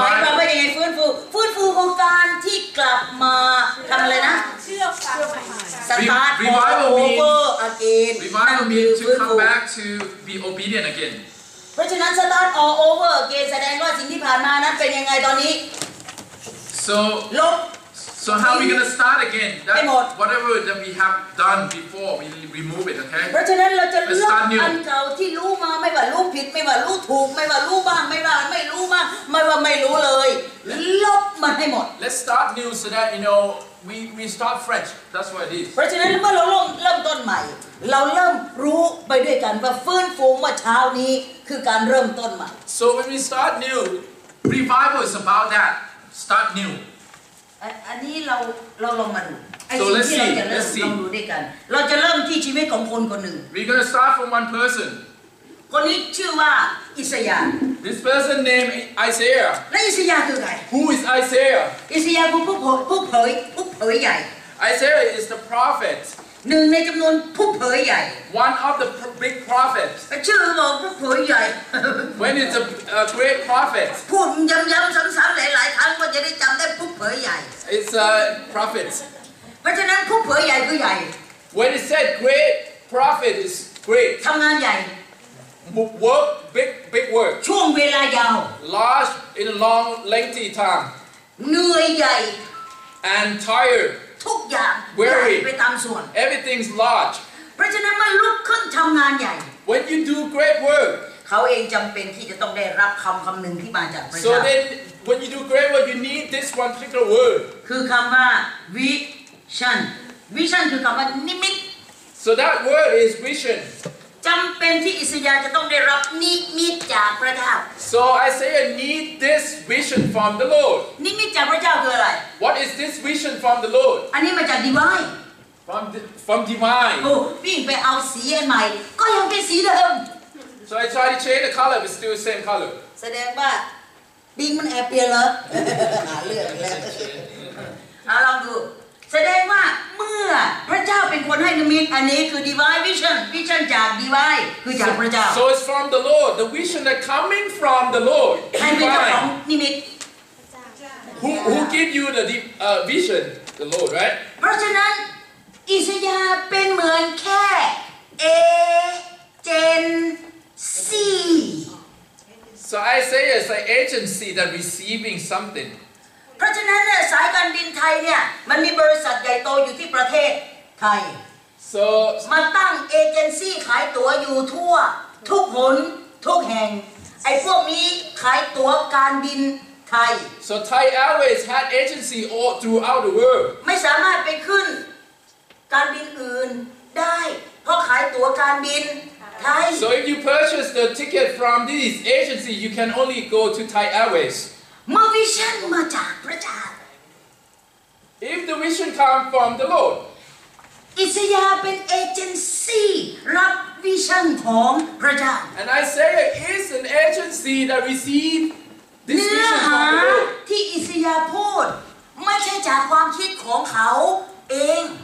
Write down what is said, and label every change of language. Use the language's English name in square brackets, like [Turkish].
[Thai] หมายความว่ายังไงฟื้นฟูฟื้นฟูของการที่กลับมาทำอะไรนะ เชื่อฟัง สตาร์ท [English] revival means again revival means to come back to be obedient again [Thai] เพราะฉะนั้นสตาร์ท [English] all over again [Thai] แสดงว่าสิ่งที่ผ่านมานั้นเป็นยังไงตอนนี้ [English] So how are we going to start again? That whatever that we have done before, we remove it, okay? [Thai] เพราะฉะนั้นเราจะเลือกอันเก่าที่รู้มาไม่ว่ารู้ผิดไม่ว่ารู้ถูกไม่ว่ารู้บ้างไม่ว่าไม่รู้บ้างไม่ว่าไม่รู้เลยลบมันให้หมด [English] Let's start new so that you know we start fresh. That's what it is. [Thai] เพราะฉะนั้นเมื่อเริ่มต้นใหม่เราเริ่มรู้ไปด้วยกันว่าฟื้นฟูเมื่อเช้านี้คือการเริ่มต้นใหม่ [English] So when we start new, revival is about that. Start new. [Thai] อันนี้เราลองมาดูไอ้ [English] so [Thai] สิ่งที่เราจะเริ่มลองดูด้วยกันเราจะเริ่มที่ชีวิตของคนคนหนึ่ง [English] We're gonna start from one person [Thai] คนนี้ชื่อว่าอิสยาห์ [English] This person named Isaiah [Thai] และอิสยาห์คือใคร [English] Who is Isaiah [Thai] อิสยาห์คือผู้เผยใหญ่ [English] Isaiah is the prophet [Thai] หนึ่งในจำนวนผู้เผยใหญ่ [English] One of the big prophets [Thai] ชื่อว่าผู้เผยใหญ่ [English] When is a great prophet [Thai] พูดย้ำย้ำซ้ำซ้ำหลายหลายครั้งก็จะได้จำได้ผู้เผยใหญ่ [English] It's a prophet. [Thai] เพราะฉะนั้นผู้เผยใหญ่คือใหญ่ [English] When it said great prophet is great. [Thai] ทำงานใหญ่ [English] Work big work. [Thai] ช่วงเวลายาว [English] Large in long lengthy time. [Thai] เหนื่อยใหญ่ [English] And tired. [Thai] ทุกอย่าง [English] Weary. [Thai] ไปตามส่วน [English] Everything's large. [Thai] เพราะฉะนั้นมันลุกขึ้นทำงานใหญ่ [English] When you do great work. [Thai] เขาเองจำเป็นที่จะต้องได้รับคำหนึ่งที่มาจากพระเจ้า [English] So then. When you do great work, you need this one particular word. [Thai] คือคำว่า vision. Vision คือคำว่านิมิต [English] So that word is vision. [Thai] จำเป็นที่อิสยาห์จะต้องได้รับนิมิตจากพระเจ้า [English] So Isaiah need this vision from the Lord. [Thai] นิมิตจากพระเจ้าคืออะไร [English] What is this vision from the Lord? [Thai] อันนี้มาจาก divine. [English] From divine. [Thai] โอ้วิ่งไปเอาสีใหม่ก็ยังเป็นสีเดิม [English] So I try to change the color, but still the same color. [Thai] แสดงว่าบิงมันแอบเปลี่ยนเหรอหาเรื่องแล้วลองดูแสดงว่าเมื่อพระเจ้าเป็นคนให้นิมิตอันนี้คือ divine vision vision จาก divine คือจากพระเจ้า [English] so it's from the Lord the vision that coming from the Lord [Thai] ให้เป็นเจ้าของนิมิต [English] who give you the vision the Lord right [Thai] เพราะฉะนั้นอิสยาห์เป็นเหมือนแค่เอเจนซี [English] So I say it's an agency that receiving something. [Thai] เพราะฉะนั้นสายการบินไทยเนี่ยมันมีบริษัทใหญ่โตอยู่ที่ประเทศไทย [English] So [Thai] มาตั้งเอเจนซี่ขายตั๋วอยู่ทั่วทุกหนทุกแห่งไอ้พวกนี้ขายตั๋วการบินไทย [English] So Thai Airways had agency all throughout the world. [Thai] ไม่สามารถไปขึ้นการบินอื่นได้เพราะขายตั๋วการบิน [English] So if you purchase the ticket from this agency, you can only go to Thai Airways. My vision [Thai] มาจากพระเจ้า [English] If the vision comes from the Lord, [Thai] Isaiah เป็น agency รับ vision ของพระเจ้า [English] And Isaiah is an agency that receive this vision from the Lord. [Thai] ที่ Isaiah พูดไม่ใช่จากความคิดของเขาเอง